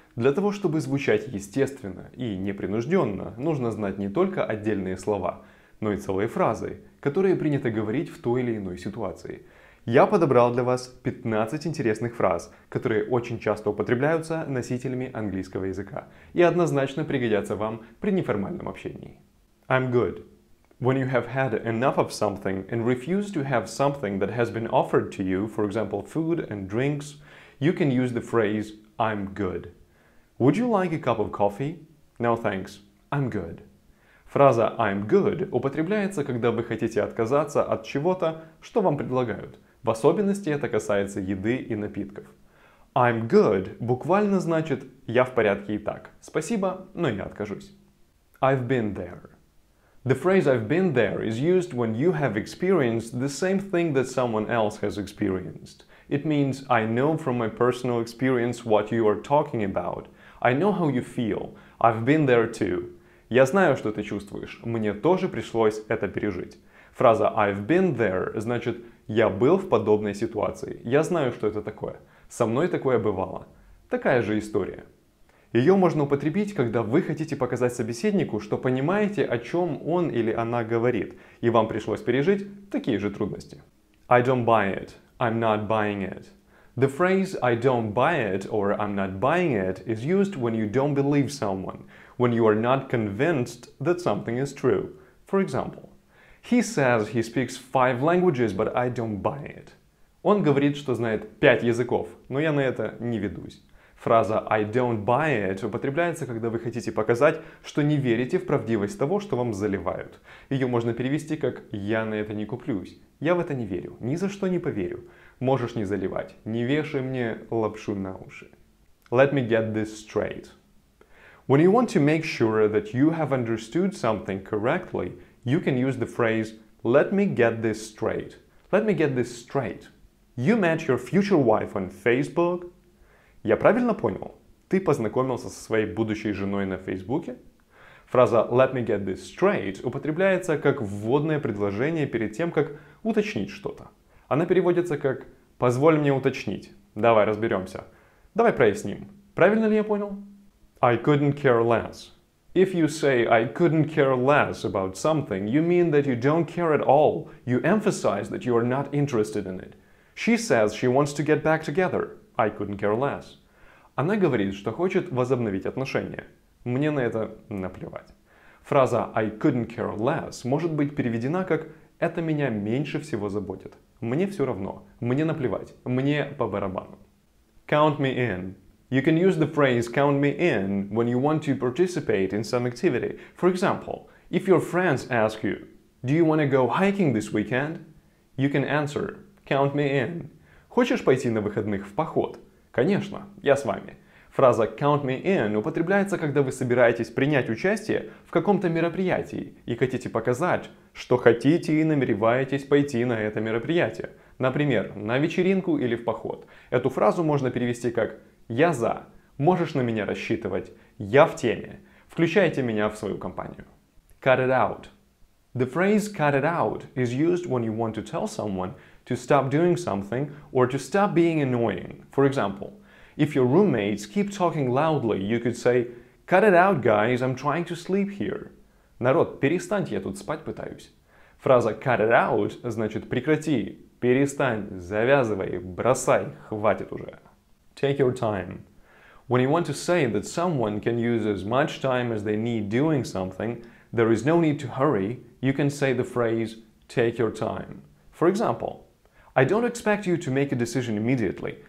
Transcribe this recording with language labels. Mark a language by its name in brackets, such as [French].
[Russian] Для того, чтобы звучать естественно и непринужденно, нужно знать не только отдельные слова, но и целые фразы, которые принято говорить в той или иной ситуации. Я подобрал для вас 15 интересных фраз, которые очень часто употребляются носителями английского языка и однозначно пригодятся вам при неформальном общении. [English] I'm good. When you have had enough of something and refuse to have something that has been offered to you, for example, food and drinks, you can use the phrase I'm good. Would you like a cup of coffee? No, thanks. I'm good. [Russian] Фраза I'm good употребляется, когда вы хотите отказаться от чего-то, что вам предлагают. В особенности это касается еды и напитков. I'm good буквально значит «я в порядке и так». Спасибо, но не откажусь. [English] I've been there. The phrase I've been there is used when you have experienced the same thing that someone else has experienced. It means I know from my personal experience what you are talking about. I know how you feel. I've been there too. [Russian] Я знаю, что ты чувствуешь. Мне тоже пришлось это пережить. Фраза I've been there значит «я был в подобной ситуации, я знаю, что это такое, со мной такое бывало». Такая же история. Ее можно употребить, когда вы хотите показать собеседнику, что понимаете, о чем он или она говорит, и вам пришлось пережить такие же трудности. [English] I don't buy it, I'm not buying it. The phrase I don't buy it or I'm not buying it is used when you don't believe someone, when you are not convinced that something is true. For example, he says he speaks 5 languages, but I don't buy it. [Russian] Он говорит, что знает 5 языков, но я на это не ведусь. Фраза I don't buy it употребляется, когда вы хотите показать, что не верите в правдивость того, что вам заливают. Ее можно перевести как я на это не куплюсь, я в это не верю, ни за что не поверю. Можешь не заливать, не вешай мне лапшу на уши. [English] Let me get this straight. When you want to make sure that you have understood something correctly, you can use the phrase let me get this straight. Let me get this straight. You met your future wife on Facebook. [Russian] Я правильно понял? Ты познакомился со своей будущей женой на Фейсбуке? Фраза let me get this straight употребляется как вводное предложение перед тем, как уточнить что-то. Она переводится как позволь мне уточнить. Давай разберемся. Давай проясним. Правильно ли я понял? [English] I couldn't care less. If you say I couldn't care less about something, you mean that you don't care at all. You emphasize that you are not interested in it. She says she wants to get back together. I couldn't care less. [Russian] Она говорит, что хочет возобновить отношения. Мне на это наплевать. Фраза I couldn't care less может быть переведена как «это меня меньше всего заботит». Мне все равно. Мне наплевать. Мне по барабану. [English] Count me in. You can use the phrase count me in when you want to participate in some activity. For example, if your friends ask you, do you want to go hiking this weekend? You can answer, count me in. [Russian] Хочешь пойти на выходных в поход? Конечно, я с вами. Фраза count me in употребляется, когда вы собираетесь принять участие в каком-то мероприятии и хотите показать, что хотите и намереваетесь пойти на это мероприятие. Например, на вечеринку или в поход. Эту фразу можно перевести как я за. Можешь на меня рассчитывать. Я в теме. Включайте меня в свою компанию. [English] Cut it out. The phrase cut it out is used when you want to tell someone to stop doing something or to stop being annoying. For example, if your roommates keep talking loudly, you could say, cut it out, guys, I'm trying to sleep here. [Russian] Народ, перестаньте, я тут спать пытаюсь. Фраза cut it out значит прекрати, перестань, завязывай, бросай, хватит уже. [English] Take your time. When you want to say that someone can use as much time as they need doing something, there is no need to hurry, you can say the phrase take your time. For example, I don't expect you to make a decision immediately.